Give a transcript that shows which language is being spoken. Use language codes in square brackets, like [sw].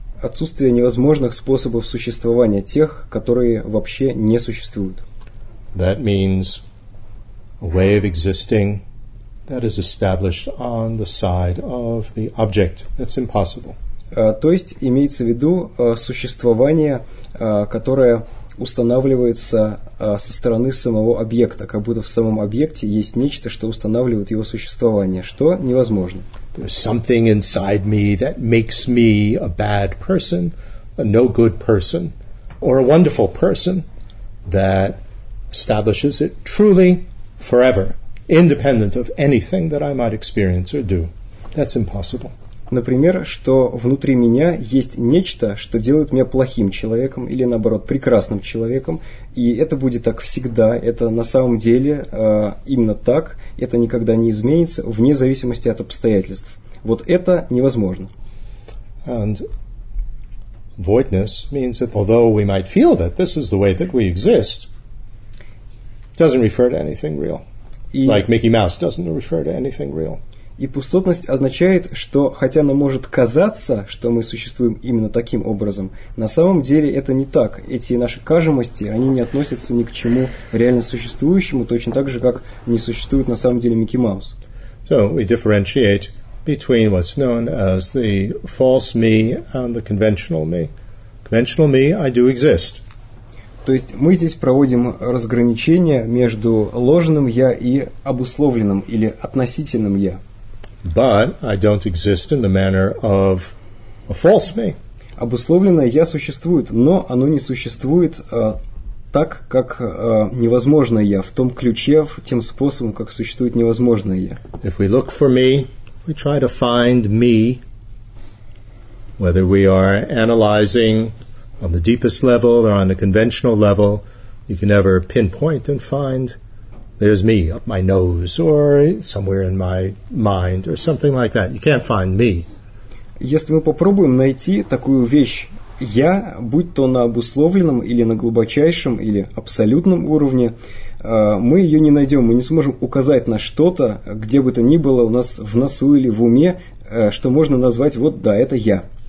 [ru] Отсутствие невозможных способов существования, тех, которые вообще не существуют. [en] That means a way of existing that is established on the side of the object. That's impossible. [ru] То есть имеется в виду существование, которое устанавливается со стороны самого объекта, как будто в самом объекте есть нечто, что устанавливает его существование, что невозможно. [en] There's something inside me that makes me a bad person, a no good person, or a wonderful person that establishes it truly forever, independent of anything that I might experience or do. That's impossible. [ru] Например, что внутри меня есть нечто, что делает меня плохим человеком или, наоборот, прекрасным человеком, и это будет так всегда, это на самом деле именно так, это никогда не изменится, вне зависимости от обстоятельств. Вот это невозможно. [en] And voidness means that although we might feel that this is the way that we exist, it doesn't refer to anything real. Like Mickey Mouse doesn't refer to anything real. [ru] И пустотность означает, что хотя нам может казаться, что мы существуем именно таким образом, на самом деле это не так. Эти наши кажемости, они не относятся ни к чему реально существующему, точно так же, как не существует на самом деле Микки Маус. [en] So we differentiate between what's known as the false me and the conventional me. Conventional me, I do exist. [ru] То есть мы здесь проводим разграничение между ложным я и обусловленным или относительным я. [en] But I don't exist in the manner of a false me. [ru] Обусловленное я существует, но оно не существует так, как невозможное я, в том ключе, в тем способом, как существует невозможное я. [en] If we look for me, we try to find me, whether we are analyzing on the deepest level or on the conventional level, you can never pinpoint and find there's me up my nose or somewhere in my mind or something like that. You can't find me. [ru] Если мы попробуем найти такую вещь, я, будь то на обусловленном или на глубочайшем или абсолютном уровне, мы ее не найдем. Мы не сможем указать на что-то, где бы то ни было у нас в носу или в уме, что можно назвать вот да, это я.